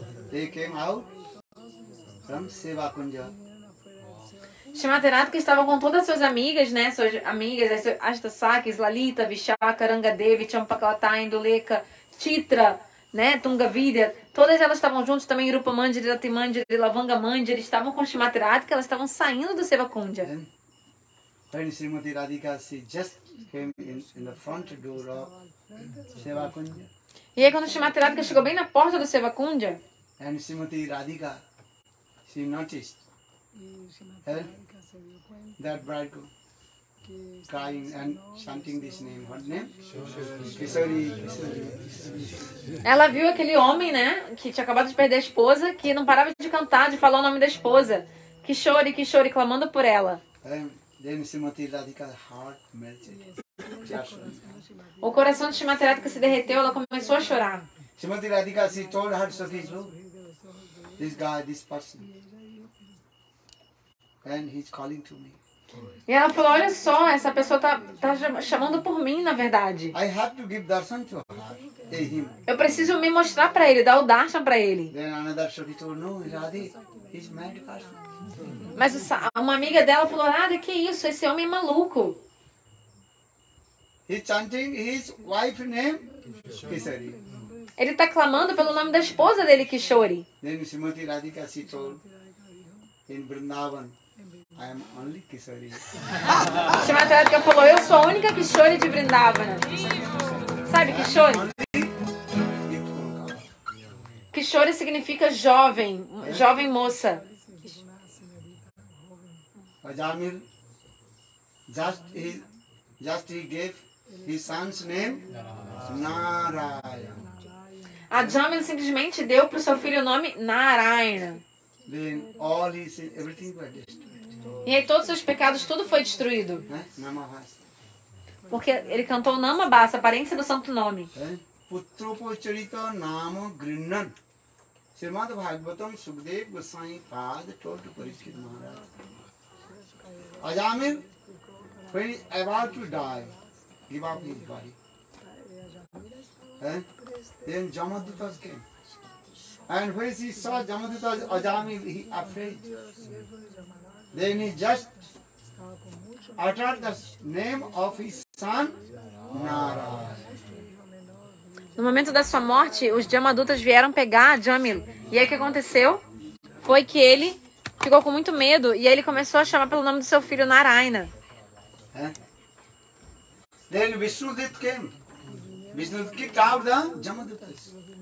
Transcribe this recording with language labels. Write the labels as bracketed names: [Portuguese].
[English] They came out from Seva Kunja. [Portuguese] Srimati Radhika estava com todas as suas amigas, né? Suas amigas, Ashtasakis, Lalita, Vishaka, Rangadevi, Champaklata, Induleka, Chitra, né? Tungavidya. Todas elas estavam juntas também, Rupa Mandiri, Lati Mandiri, Lavanga Mandiri. Estavam com Srimati Radhika, elas estavam saindo do Seva Kunja. [English] When Srimati Radhika, she just came in the front door of Seva Kunja. [Portuguese] E aí quando Srimati Radhika chegou bem na porta do Seva Kunja, [English] and Srimati Radhika, she noticed that bridegroom crying and chanting this name. What name? Kishori. [Portuguese] Ela viu aquele homem, né, que tinha acabado de perder a esposa, que não parava de cantar, de falar o nome da esposa. Kishori, Kishori, clamando por ela. [English] Then Srimati Radhika's heart melted. [Portuguese] O coração de Srimati Radhika se derreteu, ela começou a chorar. [English] Srimati Radhika, she told her sakhis, this guy, this person. And he's calling to me. [Portuguese] E ela falou, olha só, essa pessoa tá chamando por mim, na verdade. [English] I have to give darshan to him. [Portuguese] Eu preciso me mostrar para ele, dar o darshan para ele. [English] Then another sakhi told, no, Radhe, he's mad person. [Portuguese] Mas uma amiga dela falou, Radhe, que isso, esse homem é maluco. [English] He's chanting his wife's name, Kishori. [Portuguese] Ele tá clamando pelo nome da esposa dele, Kishori. [English] Then Srimati Radhika, she told, in Vrindavan, I am only Kishori. [Portuguese] Srimati Radhika falou, eu sou a única Kishori de Vrindavan. Sabe Kishori? Kishori significa jovem, jovem moça. [English] Ajamil, just he gave his son's name Narayana. [Portuguese] Ajamil simplesmente deu para o seu filho o nome Narayana. [English] Then all his everything was destroyed. [Portuguese] E aí todos os seus pecados, tudo foi destruído. Porque ele cantou Nama Bhasa, aparência do santo nome. [Sanskrit] Putrupocharita Nama Grinnan. [English] Srimad Bhagavatam Sukadev Goswami Pada told Parikshit Maharaj. Ajamil, when he is about to die, give up his body. Then Jamadutas came. And when he saw Jamadutas, Ajamil, he afraid. Then he just uttered the name of his son, Narayana. [Portuguese] No momento da sua morte, os Jamadutas vieram pegar Jamil. E aí o que aconteceu? Foi que ele ficou com muito medo e aí ele começou a chamar pelo nome do seu filho, Narayana. [English] Then Vishnudit came. Vishnudit kicked out the Jamadutas.